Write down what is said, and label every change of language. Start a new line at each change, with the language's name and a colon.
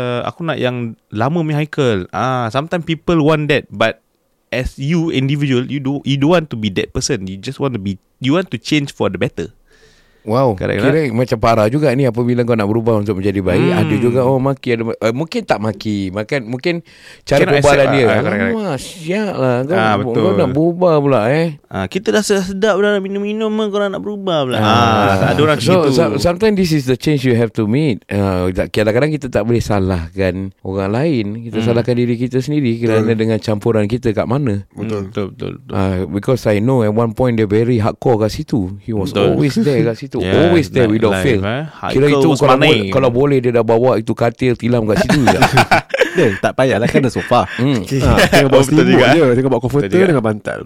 Malay: Aku nak yang lama punya Haikal.
English: Sometimes people want that, but as you individual, you don't want to be that person. You want to change for the better.
Malay: Wow, kira macam parah juga ni. Apabila kau nak berubah untuk menjadi baik, ada juga orang maki. Mungkin tak maki, mungkin cara perbualan dia. Masyaklah, kau nak berubah pula eh. Kita dah sedap dah nak minum-minum, kau nak berubah pula. Ada orang begitu.
English: Sometimes this is the change you have to meet.
Malay: Kadang-kadang kita tak boleh salahkan orang lain. Kita salahkan diri kita sendiri kerana dengan campuran kita kat mana. Betul.
English: Because I know at one point they very hardcore
Malay: kat situ.
English: He was always there
Malay: kat situ.
English: Always there without life, fail.
Malay: Kira itu kalau boleh dia dah bawa itu katil tilam kat situ je. Tak payahlah kan ada sofa. Tengok bawa selimut je. Tengok bawa komforter dengan bantal.